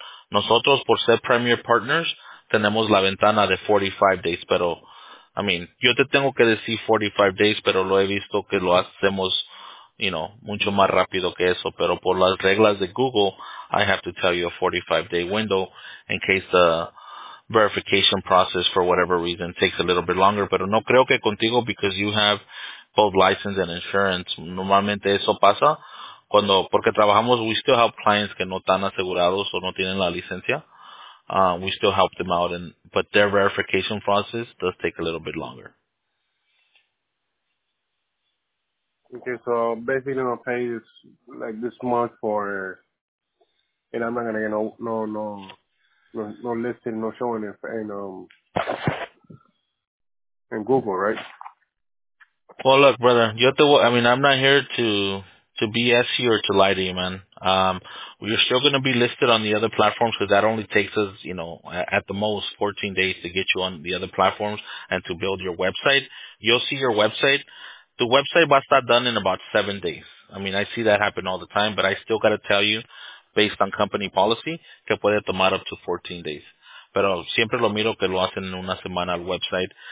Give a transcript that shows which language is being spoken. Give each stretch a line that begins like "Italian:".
Spanish: Nosotros, por ser
English: premier partners,
Spanish: tenemos la ventana de
English: 45 days, pero, I mean,
Spanish: yo te tengo que decir
English: 45 days,
Spanish: pero lo he visto que lo hacemos,
English: you know,
Spanish: mucho más rápido que eso, pero por las reglas de
English: Google, I have to tell you a 45-day window in case the verification process, for whatever reason, takes a little bit longer,
Spanish: pero no creo que contigo,
English: because you have both license and insurance.
Spanish: Normalmente eso pasa cuando, porque trabajamos,
English: we still help clients
Spanish: que no están asegurados o no tienen la licencia.
English: We still help them out, but their verification process does take a little bit longer. Okay, so basically I'm going to pay this, like this month for, and I'm not going to get no listing, no showing it in Google, right? Well, look, brother, I'm not here to BS you or to lie to you, man. You're still going to be listed on the other platforms because that only takes us, you know, at the most 14 days to get you on the other platforms and to build your website. You'll see your website. The website must be done in about 7 days. I mean, I see that happen all the time, but I still got to tell you, based on company policy,
Spanish: que puede tomar
English: up to 14 days.
Spanish: Pero siempre lo miro que lo hacen en una semana al website.